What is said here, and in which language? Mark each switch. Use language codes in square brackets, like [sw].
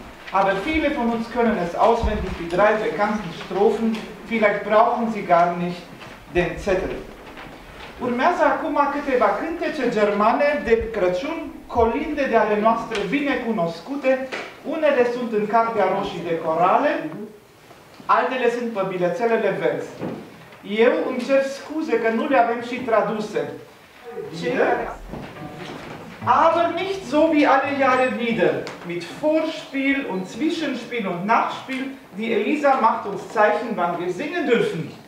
[de] Aber viele von uns können es auswendig, die drei bekannten Strophen. Vielleicht brauchen sie gar nicht den Zettel. [ro] Urmează acum câteva cântece germane de Crăciun, colinde de ale noastre bine cunoscute. Unele sunt în cartea roșii de corale, altele sunt pe bilețelele verzi. Eu îmi cer scuze că nu le avem și traduse. [de] Aber nicht so wie alle Jahre wieder, mit Vorspiel und Zwischenspiel und Nachspiel, die Elisa macht uns Zeichen, wann wir singen dürfen.